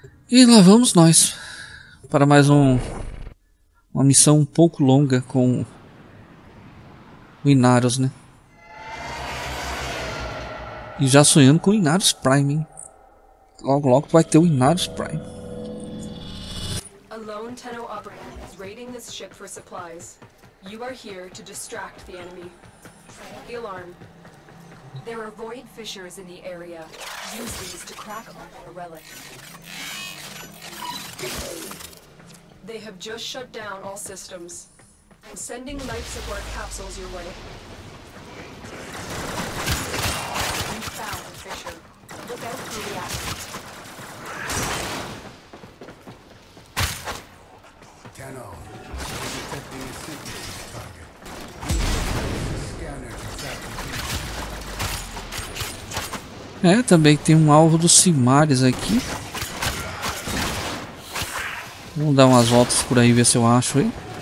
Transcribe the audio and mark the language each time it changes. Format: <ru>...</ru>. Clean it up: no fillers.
<pt>E lá vamos nós para mais uma missão um pouco longa com o Inarus, né? E já sonhando com o Inarus Prime, hein? Logo, logo vai ter o Inarus Prime.</pt> <en>A lone Tenno Operant is raiding this ship for supplies. You are here to distract the enemy. The alarm. There are void fissures in the area. Use these to crack open a relic. They have just shut down all systems. I'm sending life support capsules your way. You found the fissure. Look out for the accident. Tenno, we're detecting a signal to target. Use the scanner to track the fissure.</en> <pt>É, também tem um alvo dos Simares aqui. Vamos dar umas voltas por aí, ver se eu acho aí.</pt>